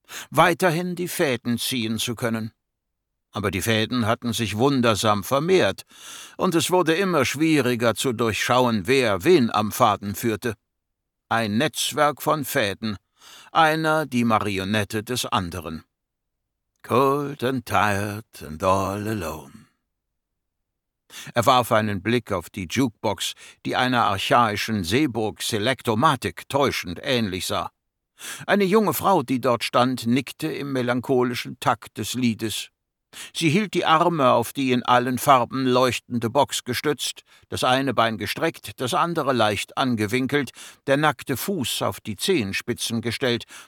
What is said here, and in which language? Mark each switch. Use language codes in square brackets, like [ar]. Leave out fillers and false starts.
[de] Weiterhin die Fäden ziehen zu können. Aber die Fäden hatten sich wundersam vermehrt, und es wurde immer schwieriger zu durchschauen, wer wen am Faden führte. Ein Netzwerk von Fäden, einer die Marionette des anderen. [en] Cold and tired and all alone. [de] Er warf einen Blick auf die Jukebox, die einer archaischen Seeburg-Selectomatic täuschend ähnlich sah. Eine junge Frau, die dort stand, nickte im melancholischen Takt des Liedes. Sie hielt die Arme auf die in allen Farben leuchtende Box gestützt, das eine Bein gestreckt, das andere leicht angewinkelt, der nackte Fuß auf die Zehenspitzen gestellt.